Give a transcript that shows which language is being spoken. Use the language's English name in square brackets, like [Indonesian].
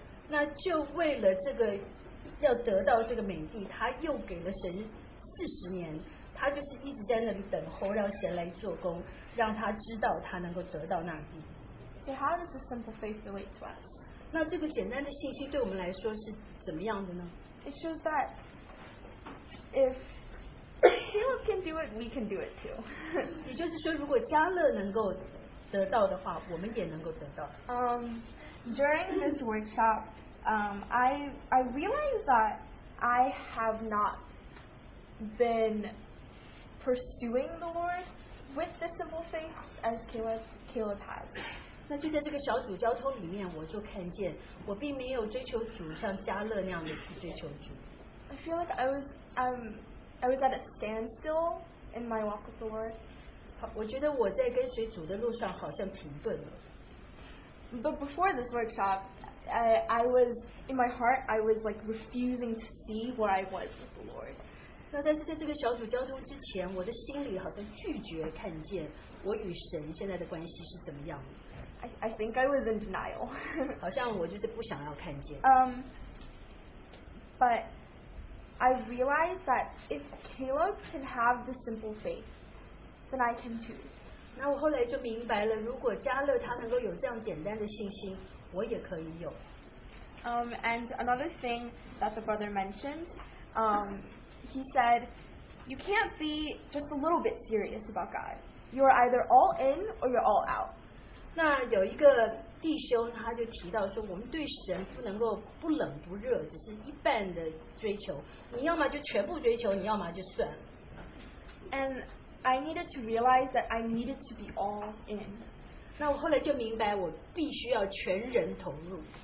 [Chinese] 那就为了这个要得到这个美地，他又给了神40年。他就是一直在那里等候，让神来做工，让他知道他能够得到那地。 [English] So how does the simple faith relate to us? [Chinese] 那这个简单的信息对我们来说是怎么样的呢？ [English] It shows that if Caleb can do it, we can do it too. [Chinese] 也就是说，如果加勒能够得到的话，我们也能够得到。 [English] During this workshop, I realized that I have not been pursuing the Lord with the simple faith as Caleb has. [Chinese] 那就在这个小组交通里面，我就看见我并没有追求主像加勒那样的去追求主。 [English] I feel like I was at a standstill in my walk with the Lord. [Chinese] 我觉得我在跟随主的路上好像停顿了。 [English] But before this workshop, I was in my heart, I was like refusing to see where I was with the Lord. [Chinese] 那但是在这个小组交通之前，我的心里好像拒绝看见我与神现在的关系是怎么样的。 [English] I think I was in denial. [Chinese] 好像我就是不想要看见。 [English] But I realized that if Caleb can have the simple faith, then I can too. [Chinese] 那我后来就明白了，如果加勒他能够有这样简单的信心，我也可以有。 [English] And another thing that the brother mentioned, he said, you can't be just a little bit serious about God. You are either all in or you're all out. [Chinese] 那有一个弟兄他就提到说，我们对神不能够不冷不热，只是一半的追求。你要么就全部追求，你要么就算了。 [English] And I needed to realize that I needed to be all in. [Chinese] 那我后来就明白，我必须要全人投入。